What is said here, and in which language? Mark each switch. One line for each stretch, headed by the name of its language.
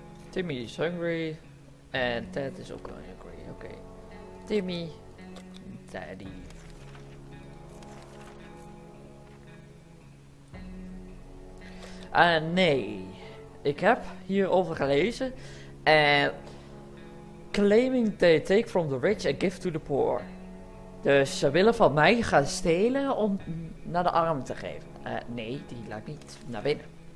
English: Timmy is hungry.
Dutch: En Ted is ook wel hungry, oké. Timmy. Teddy. Nee. Ik heb hierover gelezen.
English: En claiming they take from the rich and give to the poor.
Dutch: Dus ze willen van mij gaan stelen om naar de armen te geven. Nee, die laat ik niet naar binnen.